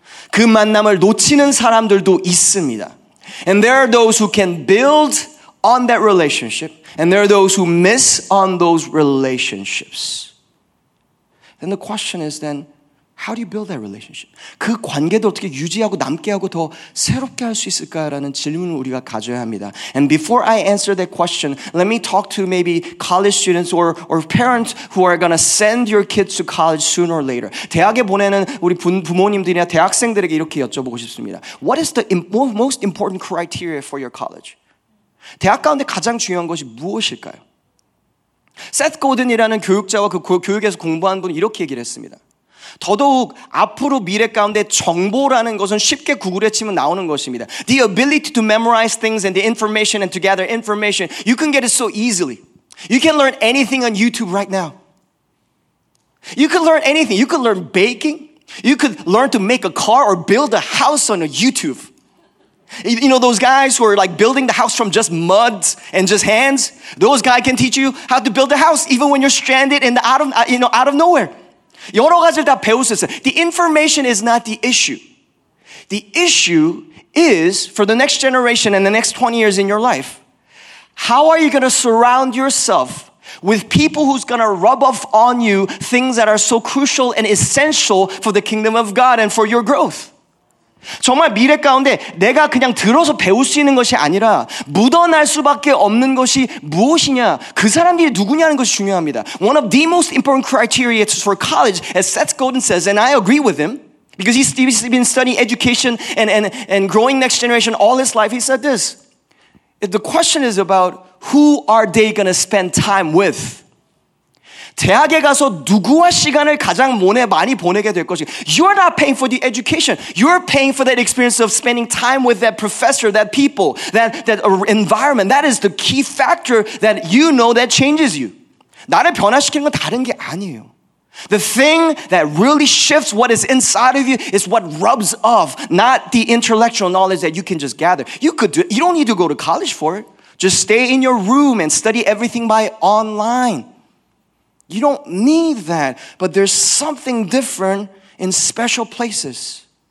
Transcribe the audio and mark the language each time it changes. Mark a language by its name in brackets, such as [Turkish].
[Korean] 그 만남을 놓치는 사람들도 있습니다. [English] And there are those who can build on that relationship, and there are those who miss on those relationships. Then the question is then, how do you build that relationship? [Korean] 그 관계도 어떻게 유지하고 남게 하고 더 새롭게 할 수 있을까라는 질문을 우리가 가져야 합니다. [English] And before I answer that question, let me talk to maybe college students or parents who are going to send your kids to college sooner or later. [Korean] 대학에 보내는 우리 부모님들이나 대학생들에게 이렇게 여쭤보고 싶습니다. [English] What is the most important criteria for your college? [Korean] 대학 가운데 가장 중요한 것이 무엇일까요? Seth Godin이라는 교육자와 그 교육에서 공부한 분이 이렇게 얘기를 했습니다. 더더욱 앞으로 미래 가운데 정보라는 것은 쉽게 구글에 치면 나오는 것입니다. [English] The ability to memorize things and the information and to gather information, you can get it so easily. You can learn anything on YouTube right now. You can learn anything. You can learn baking. You could learn to make a car or build a house on a YouTube. You know those guys who are like building the house from just mud and just hands? Those guys can teach you how to build a house even when you're stranded in the out of nowhere. [Korean] 여러 가지를 다 배울 수 있어요. The information is not the issue. [English] The issue is for the next generation and the next 20 years in your life. How are you going to surround yourself with people who's going to rub off on you things that are so crucial and essential for the kingdom of God and for your growth? [Korean] 정말 미래 가운데 내가 그냥 들어서 배울 수 있는 것이 아니라 묻어날 수밖에 없는 것이 무엇이냐, 그 사람들이 누구냐는 것이 중요합니다. [English] One of the most important criteria for college, as Seth Godin says, and I agree with him, because he's been studying education and growing next generation all his life, he said this. The question is about who are they going to spend time with? [Korean] 대학에 가서 누구와 시간을 가장 많이 보내게 될 것이. [English] You are not paying for the education. You are paying for that experience of spending time with that professor, that people, that environment. That is the key factor that you know that changes you. [Korean] 나를 변화시키는 건 다른 게 아니에요. [English] The thing that really shifts what is inside of you is what rubs off, not the intellectual knowledge that you can just gather. You could do it. You don't need to go to college for it. Just stay in your room and study everything by online. You don't need that, but there's something different in special places.